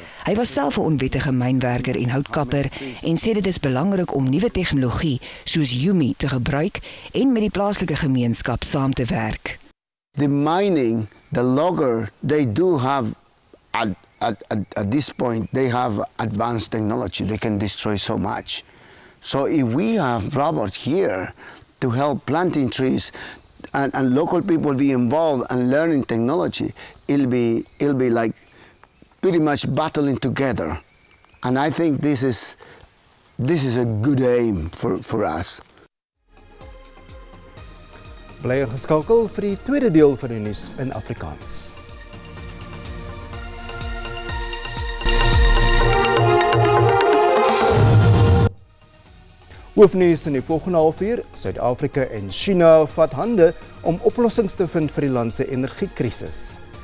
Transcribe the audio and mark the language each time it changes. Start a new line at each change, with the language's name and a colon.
Afrikaans: Hy was self 'n onwettige mynwerker en houtkapper en sê dit is belangrik om nuwe tegnologie soos Junie te gebruik en met die plaaslike gemeenskap saam te werk.
English: The mining, the logger, they do have at this point they have advanced technology. They can destroy so much. So if we have robots here to help planting trees and local people be involved and learning technology, it'll be like pretty much battling together. And I think this is a good aim for us.
Afrikaans: Bly geskakel vir die tweede deel van die nuus in Afrikaans. Hoofnuus in die volgende halfuur: Suid-Afrika en China vat hande om oplossings te vind vir die land se energiekrisis.